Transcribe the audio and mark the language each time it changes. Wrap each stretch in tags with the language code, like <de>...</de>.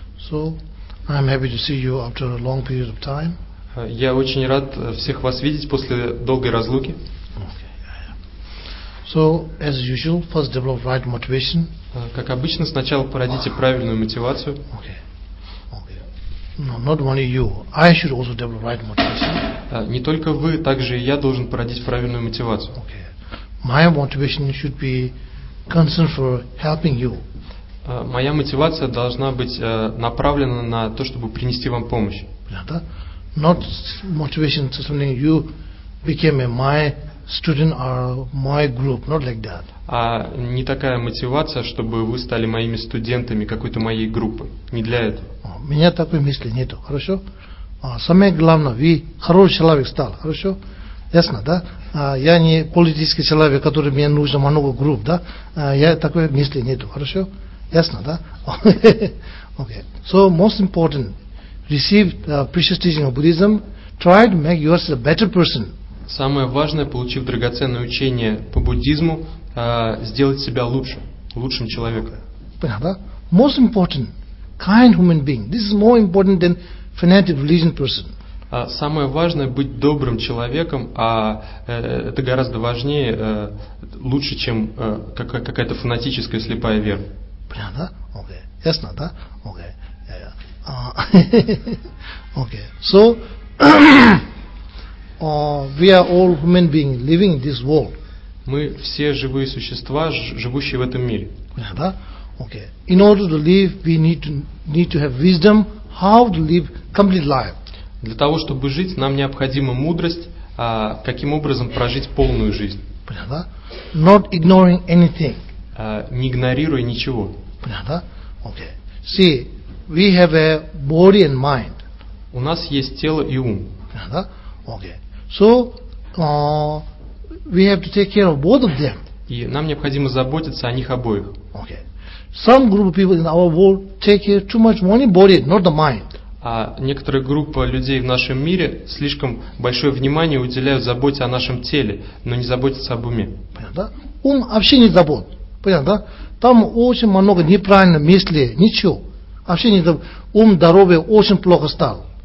<en>So, I'm happy to see you after a long period of time.</en> <ru>Я очень рад всех вас видеть после долгой разлуки.</ru> <en>So, as usual, first develop right motivation.</en> <ru>Как обычно, сначала породите правильную мотивацию.</ru> <en>No, not only you. I should also develop right motivation.</en> <ru>Не только вы, также и я должен породить правильную мотивацию.</ru> <en>My motivation should be concern for helping you.</en> <ru>Моя мотивация должна быть направлена на то, чтобы принести вам помощь. Да?</ru> <en>Not motivation to something you became a my student or my group, not like that.</en> <ru>А не такая мотивация, чтобы вы стали моими студентами какой-то моей группы. Не для этого. У меня такой мысли нету, хорошо? Самое главное, вы хороший человек стал, хорошо? Ясно, да? Я не политический человек, который мне нужен много групп, да? Я такой мысли нету, хорошо? Ясно, да?</ru> <en>Okay. So, most important, receive the precious teaching of Buddhism, try to make yourself a better person.</en> <ru>Самое важное, получив драгоценное учение по буддизму, сделать себя лучше, лучшим человеком. Понятно?</ru> <en>Most important, kind human being. This is more important than fanatic religion person.</en> <ru>Самое важное быть добрым человеком, а это гораздо важнее, лучше, чем какая-то фанатическая слепая вера. Понятно? Okay. Ясно, да? Okay. Okay.</ru> <en>So, we are all human beings living in this world.</en> <ru>Мы все живые существа, живущие в этом мире. Да?</ru> <en>Okay. In order to live, we need to have wisdom how to live complete life.</en> <ru>Для того, чтобы жить, нам необходима мудрость, каким образом прожить полную жизнь. Да?</ru> <en>Not ignoring anything.</en> <ru>Не игнорируя ничего. Да?</ru> <en>Okay. See, we have a body and mind.</en> <ru>У нас есть тело и ум. Да?</ru> <en>Okay. So, we have to take care of both of them.</en> <ru>И нам необходимо заботиться о них обоих. Okay.</ru> <en>Some group of people in our world take care too much only body, not the mind.</en> <ru>А некоторая группа людей в нашем мире слишком большое внимание уделяют заботе о нашем теле, но не заботятся об уме. Понятно, да? Ум вообще не забот. Понятно, да? Там очень много неправильных мыслей, ничего. Вообще не забот. Ум здоровый очень плохо стал.</ru>